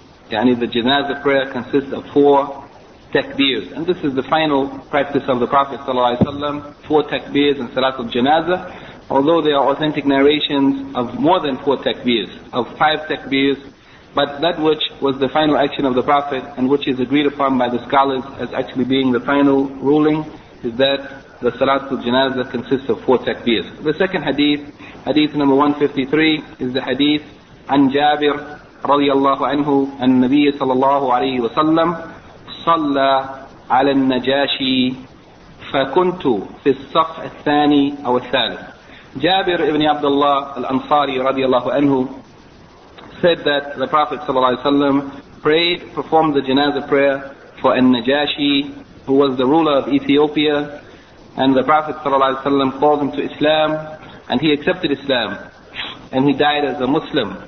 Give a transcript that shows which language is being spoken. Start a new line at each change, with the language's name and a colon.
English: Yani the janazah prayer consists of four takbirs, and this is the final practice of the Prophet sallallahu alaihi wasallam, four takbirs and salat of janazah, although there are authentic narrations of more than four takbirs, of five takbirs, but that which was the final action of the Prophet and which is agreed upon by the scholars as actually being the final ruling is that the Salatul Janazah consists of four takbirs. The second hadith, hadith number 153, is the hadith
Arabic: عن جابر رضي الله عنه أن النبي صلى الله عليه وسلم صلى على النجاشي فكنت في الصف الثاني أو الثالث.
English: جابر ibn Abdullah al-Ansari رضي الله عنه said that the Prophet صلى الله عليه وسلم prayed, performed the Janazah prayer for An-Najashi, who was the ruler of Ethiopia. And the Prophet ﷺ called him to Islam, and he accepted Islam, and he died as a Muslim.